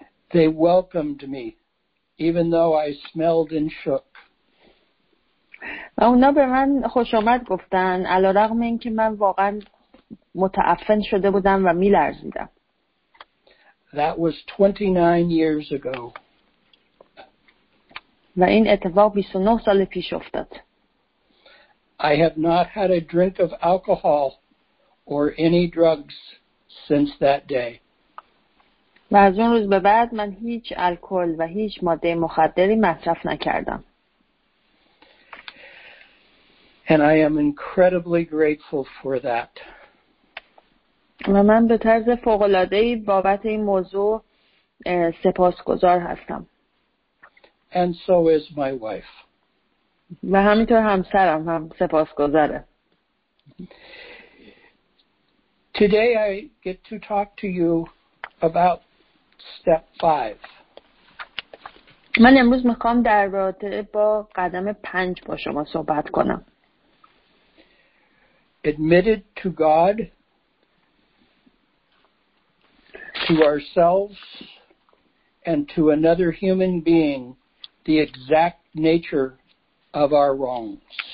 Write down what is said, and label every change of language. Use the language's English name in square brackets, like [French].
[English] They welcomed me even though I smelled and shook. [Persian] و اونا به من خوش آمد گفتن علی‌رغم اینکه من واقعا متعفن شده بودم و می‌لرزیدم. [English] That was 29 years ago. [Persian] و این اتفاق 29 سال پیش افتاد. [English] I have not had a drink of alcohol or any drugs since that day. [Persian] و از اون روز به بعد من هیچ الکل و هیچ ماده مخدری مصرف نکردم. [English] And I am incredibly grateful for that. [Persian] و من به طرز فوق‌العاده‌ای بابت این موضوع سپاسگزار هستم. [English] and so is my wife. [Persian] و همینطور همسرم هم سپاسگزاره. [English] Today I get to talk to you about step 5. [Persian] من امروز میخوام در رابطه با قدم 5 با شما صحبت کنم. [English] Admitted to God, to ourselves, and to another human being the exact nature of our wrongs.